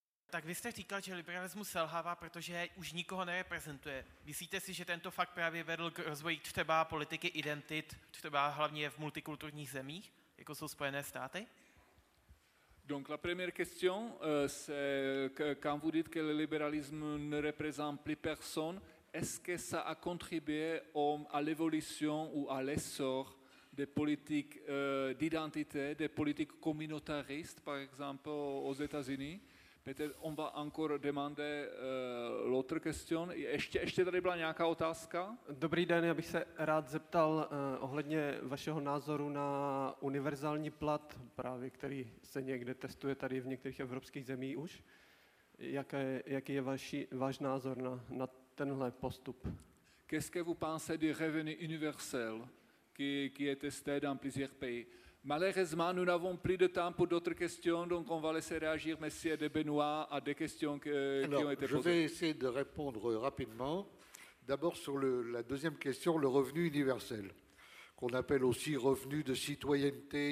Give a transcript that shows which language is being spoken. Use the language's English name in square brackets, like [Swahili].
[Czech] Tak vy jste říkal, že liberalismus selhává, protože už nikoho nereprezentuje. Myslíte si, že tento fakt právě vedl k rozvoji třeba politiky identit, třeba hlavně v multikulturních zemích, jako jsou Spojené státy? [French] Donc la première question, c'est quand vous dites que le libéralisme ne représente plus personne, est-ce que ça a contribué à l'évolution ou à l'essor des politiques d'identité, des politiques communautaristes, par exemple aux États-Unis? Peut-être on va encore demander l'autre question. [Czech] Ještě tady byla nějaká otázka? Dobrý den, já bych se rád zeptal ohledně vašeho názoru na univerzální plat, právě který se někde testuje tady v některých evropských zemích už. Jaký je váš názor na tenhle postup? [French] Qu'est-ce que vous pensez du revenu universel qui est testé dans plusieurs pays? Malheureusement, nous n'avons plus de temps pour d'autres questions, donc on va laisser réagir Monsieur de Benoît à des questions qui ont été posées. Je vais essayer de répondre rapidement. D'abord sur la deuxième question, le revenu universel, qu'on appelle aussi revenu de citoyenneté.